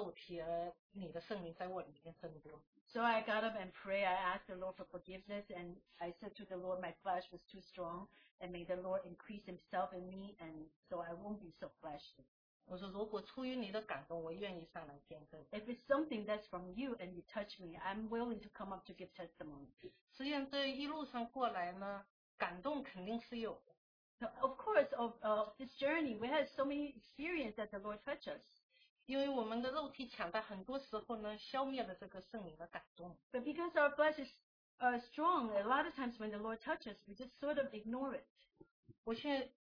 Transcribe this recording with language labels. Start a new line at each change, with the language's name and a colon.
Chinese: 所以我后来也就起来祷告主，我说主啊，圣灵，是我的肉体太强大了，也求你减少我的肉体，而你的圣灵在我里面增多。
English: So I got up and pray. I asked the Lord for forgiveness, and I said to the Lord, my flesh was too strong, and may the Lord increase Himself in me, and so I won't be so fleshly.
Chinese: 我说，如果出于你的感动，我愿意上来见证。
English: If it's something that's from you and you touch me, I'm willing to come up to give testimony.
Chinese: 实际上，这一路上过来呢，感动肯定是有的。
English: So of course, this journey, we had so many experiences that the Lord touched us.
Chinese: 因为我们的肉体强大，很多时候呢，消灭了这个圣灵的感动。
English: But because our flesh is strong, a lot of times when the Lord touches, we just sort of ignore it.